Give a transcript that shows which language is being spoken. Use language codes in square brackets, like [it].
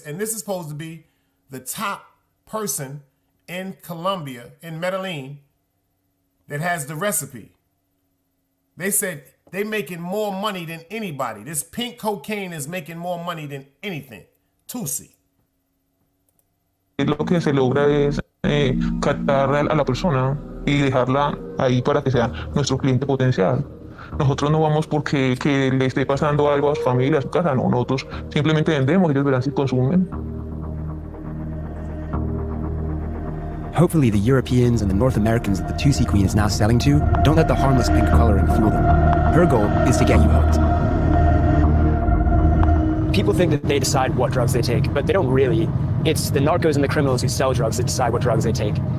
[en] And this is supposed to be the top person in Colombia, in Medellin, that has the recipe. They said they making more money than anybody. This pink cocaine is making more money than anything. [es] Tusi. Lo que se logra es captar a la persona y dejarla ahí para que sea nuestro cliente potencial. Nosotros no vamos porque que le esté pasando algo a su familia, a su casa. No, nosotros simplemente vendemos y ellos verán si consumen. [en] Hopefully the Europeans and the North Americans that the Tusi Queen is now selling to don't let the harmless pink coloring fool them. Her goal is to get you hooked. People think that they decide what drugs they take, but they don't really. It's the narcos and the criminals who sell drugs that decide what drugs they take.